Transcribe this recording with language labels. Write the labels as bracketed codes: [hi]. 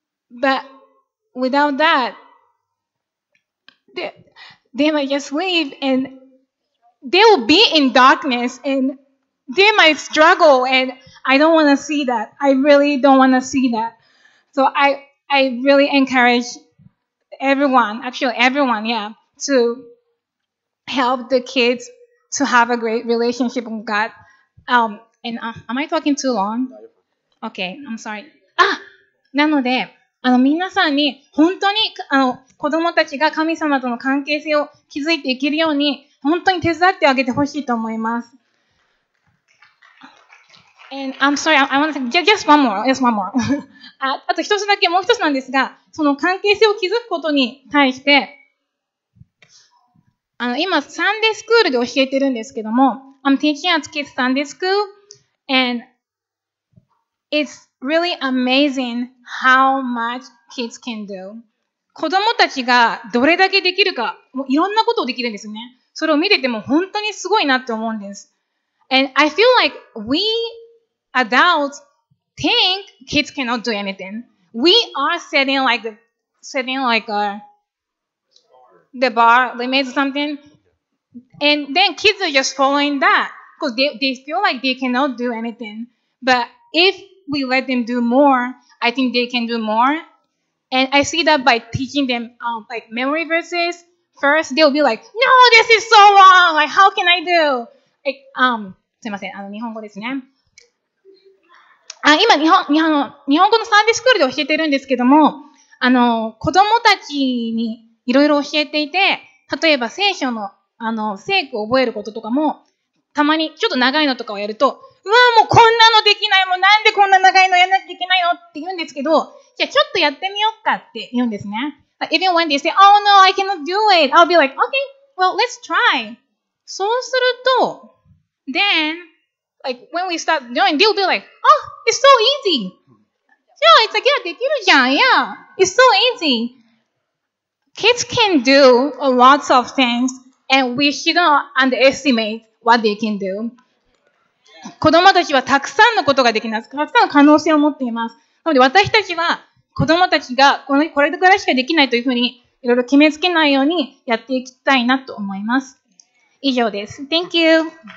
[en] But without that, they might just leave and they will be in darkness and they might struggle andI don't want to see that. I really don't want to see that. So I really encourage everyone, yeah, to help the kids to have a great relationship with God. Am I talking too long? Okay, I'm sorry. Ah! [ja] なので、皆さんに本当に子供たちが神様との関係性を築いていけるように本当に手伝ってあげてほしいと思います。 [en] And I'm sorry, I want to say, just one more, just one more. [ja] あと一つだけ、もう一つなんですが、その関係性を築くことに対して、今、サンデースクールで教えてるんですけども、 [en] I'm teaching at kids Sunday school, and it's really amazing how much kids can do. [ja] 子供たちがどれだけできるか、もういろんなことをできるんですね。それを見てても本当にすごいなって思うんです。 [en] And I feel like we adults think kids cannot do anything. We are setting the bar limits or something. And then kids are just following that because they feel like they cannot do anything. But if we let them do more, I think they can do more. And I see that by teaching them like memory verses. First, they'll be like, no, this is so wrong. Like, how can I do? Like, [ja] すいません。日本語ですね。今日本語のサンディスクールで教えてるんですけども、子供たちにいろいろ教えていて、例えば聖書の、聖句を覚えることとかも、たまにちょっと長いのとかをやると、うわ、もうこんなのできない。もうなんでこんな長いのやんなきゃいけないのって言うんですけど、じゃあちょっとやってみようかって言うんですね。 [en] Even when they say, oh no, I cannot do it, I'll be like, okay, well, let's try. [ja] そうすると、 [en] then, like, when we start doing, they'll be like, oh, it's so easy. Yeah, it's like, yeah, [ja] できるじゃん、 [en] yeah. It's so easy. Kids can do lots of things, and we shouldn't underestimate what they can do. [ja] 子供たちはたくさんのことができます。たくさんの可能性を持っています。なので私たちは、子供たちがこれぐらいしかできないというふうにいろいろ決めつけないようにやっていきたいなと思います。以上です。 [en] Thank you.